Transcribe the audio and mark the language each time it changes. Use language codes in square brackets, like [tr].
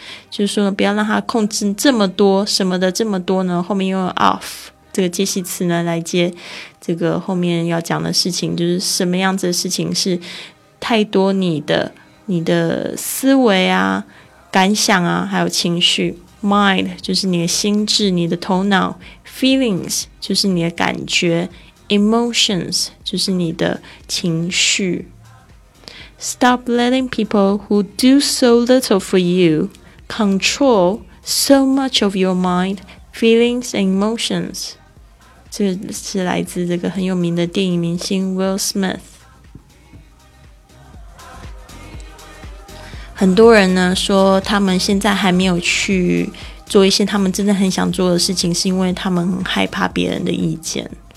[zh] 就是说不要让它控制这么多，什么的这么多呢，后面用 of 这个介系词呢来接这个后面要讲的事情，就是什么样子的事情是太多你的思维啊、感想啊还有情绪。 Mind 就是你的心智、你的头脑， Feelings 就是你的感觉， Emotions 就是你的情绪。 [en] Stop letting people who do so little for you control so much of your mind, feelings, and emotions. [zh] 这是来自这个很有名的电影明星 Will Smith。很多人呢说他们现在还没有去做一些他们真的很想做的事情，是因为他们很害怕别人的意见。